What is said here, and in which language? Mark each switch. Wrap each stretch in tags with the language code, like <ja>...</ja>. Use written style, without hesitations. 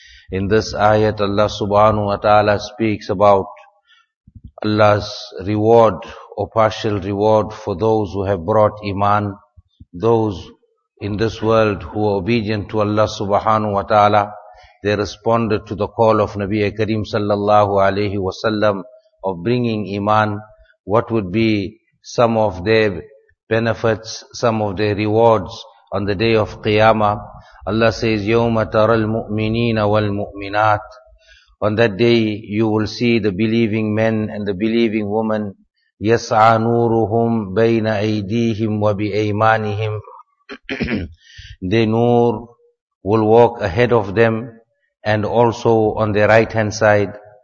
<en>In this ayat, Allah Subhanahu wa Ta'ala speaks about Allah's reward or partial reward for those who have brought iman, those in this world who are obedient to Allah Subhanahu wa Ta'ala. They responded to the call of Nabi Kareem sallallahu alayhi wa sallam of bringing iman. What would be some of their benefits, some of their rewards on the day of Qiyamah? Allah says,</en> <ar>يَوْمَ تَرَى الْمُؤْمِنِينَ وَالْمُؤْمِنَاتِ.</ar> <en>On that day you will see the believing men and the believing women.</en> <ar>يَسْعَى نُورُهُمْ بَيْنَ أَيْدِيهِمْ وَبِأَيْمَانِهِمْ.</ar> <en>Their nur will walk ahead of them and also on their right hand side.</en>